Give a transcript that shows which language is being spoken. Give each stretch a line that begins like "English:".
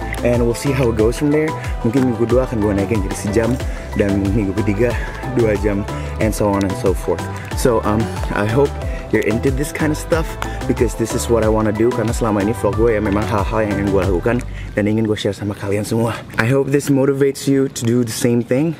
English: And we'll see how it goes from there.
Indonesian: Mungkin minggu kedua akan gue naikin jadi sejam, dan minggu ketiga 2 jam,
English: and so on and so forth. So, I hope you're into this kind of stuff, because this is what I wanna do.
Indonesian: Karena selama ini vlog gue ya memang hal-hal yang gue lakukan dan ingin gue share sama kalian semua.
English: I hope this motivates you to do the same thing.